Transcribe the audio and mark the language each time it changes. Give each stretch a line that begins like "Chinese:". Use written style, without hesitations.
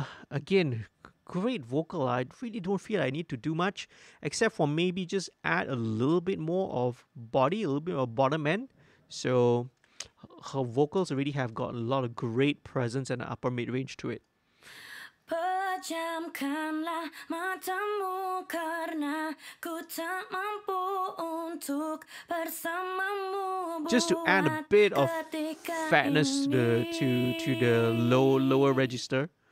English: Again, great vocal. I really don't feel I need to do much except for maybe just add a little bit more of body, a little bit of bottom end. So her vocals already have got a lot of great presence and upper mid-range to it.
Indonesian: Pejamkanlah matamu karena ku tak mampu untuk bersamamu.
English: Just to add a bit of fatness to the lower register.